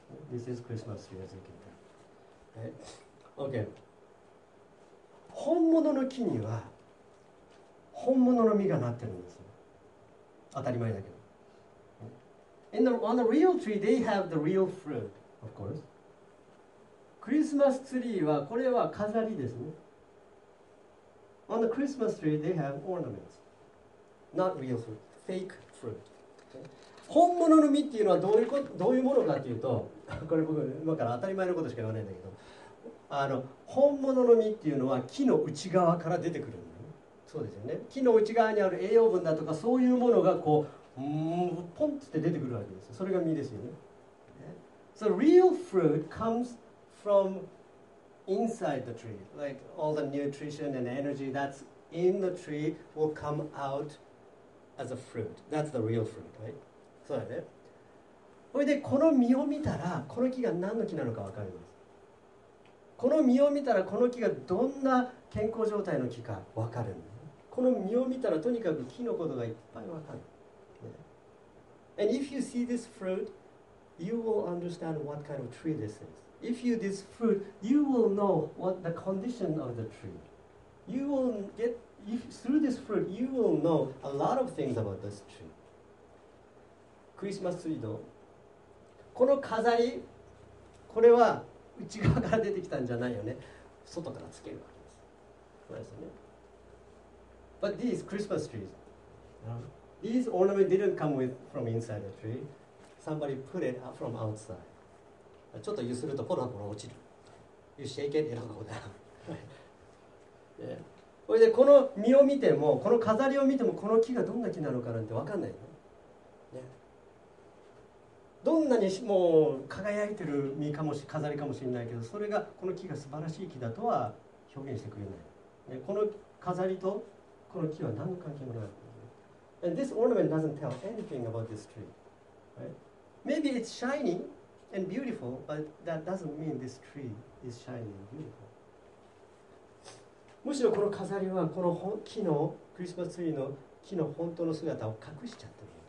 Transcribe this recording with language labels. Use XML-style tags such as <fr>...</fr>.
<en>This is Christmas tree, as you can tell. Okay.</en> <ja>本物の木には本物の実がなってるんですよ。当たり前だけど。</ja> <en>In the, on the real tree, they have the real fruit, of course.</en> <ja>Christmas tree は、これは飾りですね。</ja> <en>On the Christmas tree, they have ornaments. Not real fruit, fake fruit. Okay.</en> <ja>本物の実っていうのはどういうものかっていうと、これ僕今から当たり前のことしか言わないんだけど、本物の実っていうのは木の内側から出てくるんだよね。そうですよね。木の内側にある栄養分だとかそういうものがこうポンって出てくるわけですよ。それが実ですよね。</ja> <en>So real fruit comes from inside the tree. Like all the nutrition and energy that's in the tree will come out as a fruit. That's the real fruit, right?</en> <ja>そうだね。それでこの実を見たらこの木が何の木なのか分かります。この実を見たらこの木がどんな健康状態の木か分かる。この実を見たらとにかく木のことがいっぱい分かる。</ja> <en>And if you see this fruit, you will understand what kind of tree this is. If you this fruit, you will know what the condition of the tree. You will get if, through this fruit, you will know a lot of things about this tree.</en> <ja>クリスマスツリーどう？この飾り、これは内側から出てきたんじゃないよね。外からつけるわけです。そうですね。</ja> <en>But these Christmas trees, these ornaments didn't come with from inside the tree. Somebody put it from outside.</en> <ja>ちょっと揺するとポロポロ落ちる。</ja> <en>You shake it, it'll go down.</en> <ja>それでこの実を見ても、この飾りを見ても、この木がどんな木なのかなんて分かんないの。どんなにもう輝いてる実かもし飾りかもしれないけど、それがこの木が素晴らしい木だとは表現してくれない。ね、この飾りとこの木は何の関係もない。</ja> <en>And this ornament doesn't tell anything about this tree. Right? Maybe it's shiny and beautiful, but that doesn't mean this tree is shiny and beautiful.</en> <ja>むしろこの飾りはこの木のクリスマスツリーの木の本当の姿を隠しちゃってる。</ja>